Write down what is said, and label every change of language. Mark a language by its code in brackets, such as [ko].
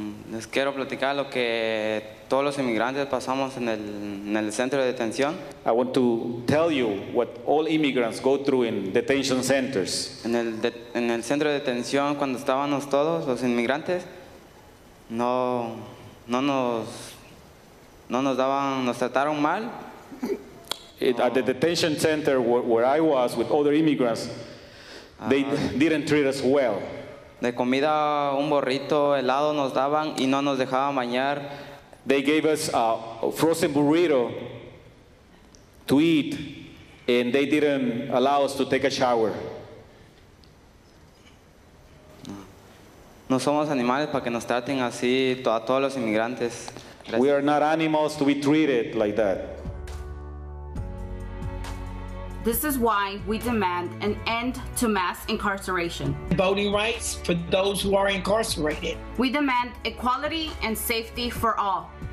[es] Les quiero platicar lo que todos los inmigrantes pasamos en el centro de detención. [en] I want to tell you what all immigrants go through in detention centers. [es] En el centro de detención cuando estábamos todos los inmigrantes no nos daban, nos trataron mal. [en] At the detention center where I was with other immigrants, they didn't treat us well. [es] De comida, un burrito helado nos daban y no nos dejaban bañar. [en] They gave us a frozen burrito to eat, and they didn't allow us to take a shower. [es] No somos animales para que nos traten así a todos los inmigrantes. [en] We are not animals to be treated like that. This is why we demand an end to mass incarceration. Voting rights for those who are incarcerated. We demand equality and safety for all.